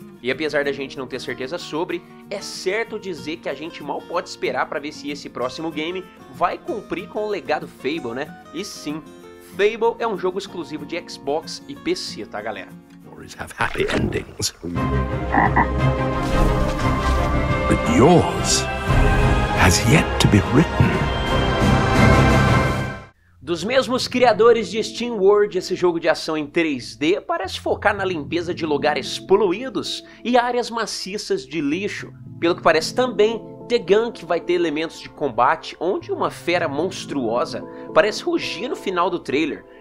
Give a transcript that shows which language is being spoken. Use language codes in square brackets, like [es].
[pt] E apesar da gente não ter certeza sobre, é certo dizer que a gente mal pode esperar para ver se esse próximo game vai cumprir com o legado Fable, né? E sim, Fable é um jogo exclusivo de Xbox e PC, tá, galera? [en] Have happy endings. But yours has yet to be written. [pt] Dos mesmos criadores de SteamWorld, esse jogo de ação em 3D parece focar na limpeza de lugares poluídos e áreas maciças de lixo. Pelo que parece também, The Gunk vai ter elementos de combate onde uma fera monstruosa parece rugir no final do trailer.